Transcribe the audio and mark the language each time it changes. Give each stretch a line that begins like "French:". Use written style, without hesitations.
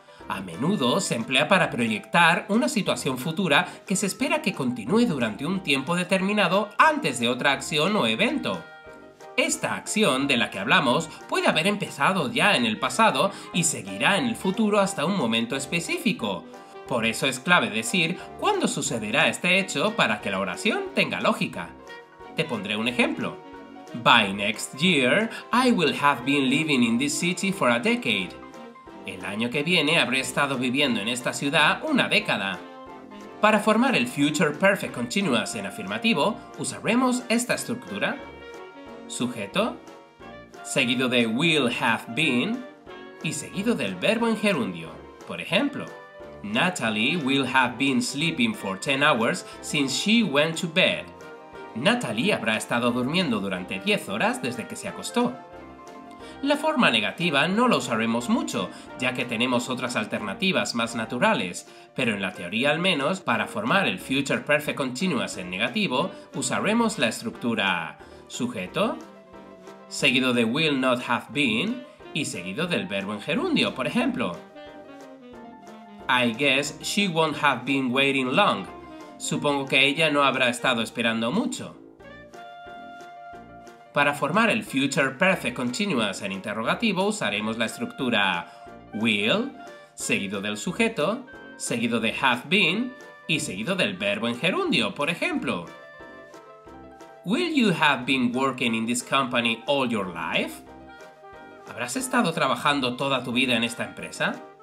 Spanish: A menudo se emplea para proyectar una situación futura que se espera que continúe durante un tiempo determinado antes de otra acción o evento. Esta acción de la que hablamos puede haber empezado ya en el pasado y seguirá en el futuro hasta un momento específico. Por eso es clave decir cuándo sucederá este hecho para que la oración tenga lógica. Te pondré un ejemplo.
English: By next year, I will have been living in this city for a decade.
Spanish: El año que viene habré estado viviendo en esta ciudad una década. Para formar el Future Perfect Continuous en afirmativo, usaremos esta estructura. Sujeto, seguido de will have been y seguido del verbo en gerundio. Por ejemplo,
English: Natalie will have been sleeping for 10 hours since she went to bed.
Spanish: Natalie habrá estado durmiendo durante 10 horas desde que se acostó. La forma negativa no la usaremos mucho, ya que tenemos otras alternativas más naturales, pero en la teoría al menos, para formar el Future Perfect Continuous en negativo, usaremos la estructura sujeto, seguido de will not have been y seguido del verbo en gerundio, por ejemplo.
English: I guess she won't have been waiting long.
Spanish: Supongo que ella no habrá estado esperando mucho. Para formar el Future Perfect Continuous en interrogativo usaremos la estructura will, seguido del sujeto, seguido de have been y seguido del verbo en gerundio, por ejemplo.
English: Will you have been working in this company all your life?
Spanish: ¿Habrás estado trabajando toda tu vida en esta empresa?